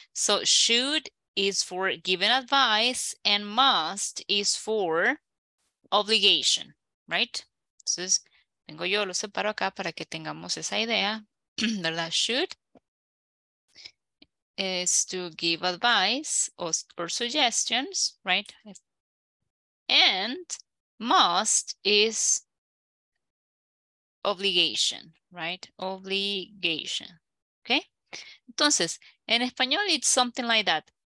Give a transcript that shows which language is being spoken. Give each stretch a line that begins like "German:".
English: So should is for giving advice and must is for obligation. Right?
Spanish: Entonces, vengo yo, lo separo acá para que tengamos esa idea, ¿verdad?
English: Should is to give advice or suggestions, right? And must is obligation, right? Obligation, okay?
Spanish: Entonces, en español
English: it's something like that.